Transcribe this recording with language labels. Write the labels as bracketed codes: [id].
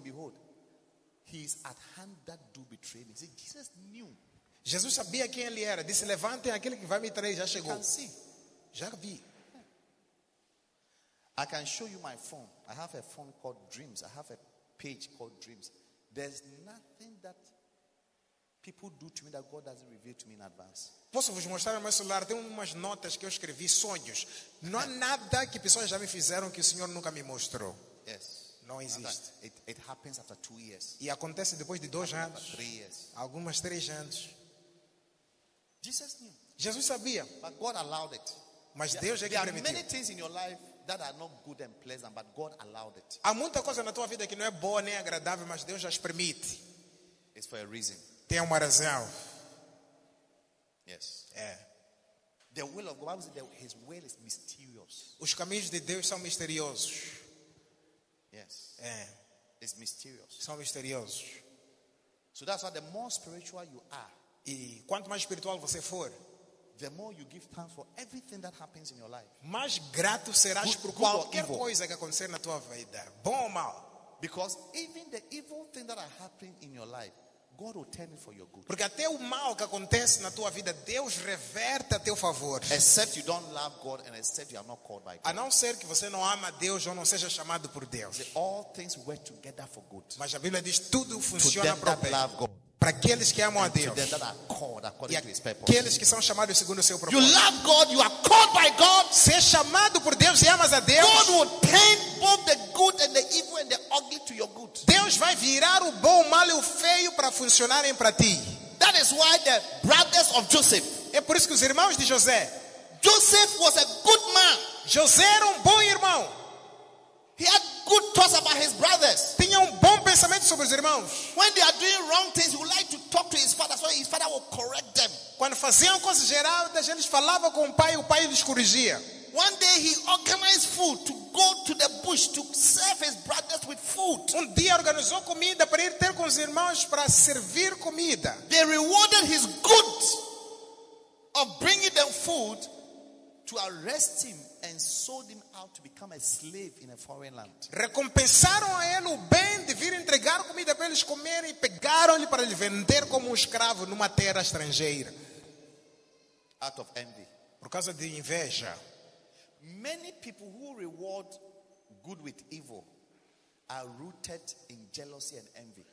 [en] Behold, he is at hand that do betray me. See, Jesus knew. [pt] Jesus sabia quem ele era. Disse, levantem aquele que vai me trair. Já chegou. [en] Can see. [pt] Já vi. [en] I can show you my phone. I have a phone called Dreams. I have a page called Dreams. There's nothing that people do to me that God doesn't reveal to me in advance. [pt] Posso vos mostrar no meu celular? Tem umas notas que eu escrevi, sonhos. Não há nada que pessoas já me fizeram que o Senhor nunca me mostrou. [en] Yes. [pt] Não existe. [en] It happens after 2 years. [pt] E acontece depois de 2 anos. [en] After 3 years. [pt] Algumas 3 anos. [en] Jesus knew. [pt] Jesus sabia. [en] But God allowed it. [pt] Mas Deus é que [en] there [pt] permitiu. [en] There are many things in your life that are not good and pleasant, but God allowed it. [pt] Há muita coisa na tua vida que não é boa nem agradável, mas Deus as permite. [en] It's for a reason. [pt] Tem uma razão. [en] Yes. [pt] É. [en] The will of God, His will is mysterious. [pt] Os caminhos de Deus são misteriosos. [en] Yes. [pt] É. [en] It's mysterious. [pt] São misteriosos. [en] So that's why the more spiritual you are, [pt] e quanto mais espiritual você for, [en] the more you give thanks for everything that happens in your life. [pt] Mais grato serás por qualquer coisa que acontecer na tua vida, bom ou mal. [en] Because even the evil thing that are happening in your life, God will turn it for your good. [pt] Porque até o mal que acontece na tua vida, Deus reverte a teu favor. [en] Except you don't love God and except you are not called by God. [pt] A não ser que você não ama Deus ou não seja chamado por Deus. [en] All things work together for good. [pt] Mas a Bíblia diz tudo funciona para bem. [en] Love God. [pt] Para aqueles que amam a Deus. [en] And to them that are called according to His purpose. [pt] Aqueles que são chamados segundo o seu propósito. [en] You love God, you are called by God. [pt] Ser chamado por Deus e amas a Deus. [en] God will turn both the good and the evil and the ugly to your good. [pt] Deus vai virar o bom, o mal e o feio para funcionarem para ti. [en] That is why the brothers of Joseph. [pt] É por isso que os irmãos de José. [en] Joseph was a good man. [pt] José era um bom irmão. [en] He had good thoughts about his brothers. [pt] Tinha bom pensamento sobre os irmãos. [en] When they are doing wrong things, he would like to talk to his father so his father will correct them. [pt] Quando faziam coisas erradas, eles falavam com o pai lhes corrigia. [en] One day he organized food to go to the bush to serve his brothers with food. [pt] Dia organizou comida para ir ter com os irmãos para servir comida. [en] They rewarded his good of bringing them food to arrest him and sold him out to become a slave in a foreign land. [pt] Recompensaram a ele o bem de vir entregar comida para eles comerem e pegaram-lhe para lhe vender como escravo numa terra estrangeira. [en] Out of envy. [pt] Por causa de inveja. [en] Many people who reward good with evil are rooted in jealousy and envy.